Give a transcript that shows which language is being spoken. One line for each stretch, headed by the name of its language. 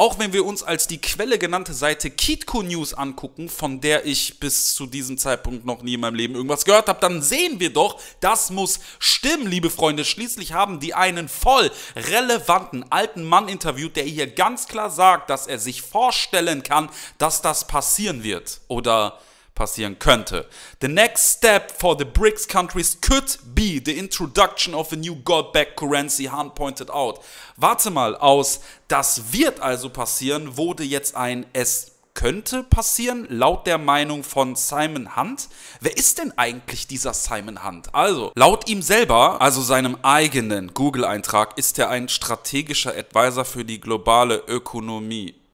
German: Auch wenn wir uns als die Quelle genannte Seite Kitco News angucken, von der ich bis zu diesem Zeitpunkt noch nie in meinem Leben irgendwas gehört habe, dann sehen wir doch, das muss stimmen, liebe Freunde. Schließlich haben die einen voll relevanten alten Mann interviewt, der hier ganz klar sagt, dass er sich vorstellen kann, dass das passieren wird. Oder passieren könnte.
English: The next step for the BRICS countries could be the introduction of a new gold-backed currency, Hunt pointed out.
German: Warte mal, aus das wird also passieren, wurde jetzt ein es könnte passieren, laut der Meinung von Simon Hunt. Wer ist denn eigentlich dieser Simon Hunt? Also, laut ihm selber, also seinem eigenen Google-Eintrag, ist er ein strategischer Advisor für die globale Ökonomie.